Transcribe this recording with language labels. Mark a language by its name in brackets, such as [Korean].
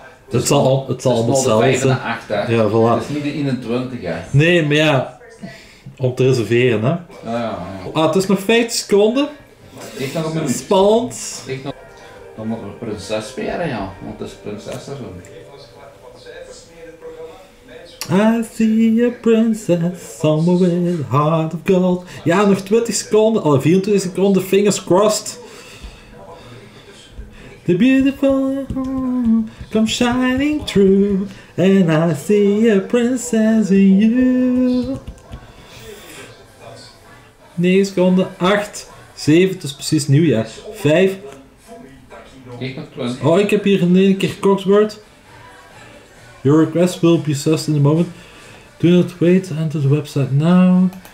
[Dutch] Het zal allemaal hetzelfde zijn. Het is de 8, hè. Ja, voilà. Het is niet de 21, hè. Nee, maar ja. Om te reserveren, hè. Ja, ja, ja. Ah, het is nog 50 seconden. Ik nog een minuut. Spannend. Ik nog... Dan moeten we prinses spelen, ja. Want het is prinses, hè, zo. [English] I see a princess on the way, heart of gold. [Dutch] Ja, nog 20 seconden. Al 24 seconden, [English] fingers crossed. The beautiful come shining through, and I see a princess in you. [Dutch] 9 seconden, 8, 7, het is precies nieuwjaar. 5. Oh, ik heb hier in één keer Coxbert. [English] Your request will be assessed in a moment. Do not wait, enter the website now.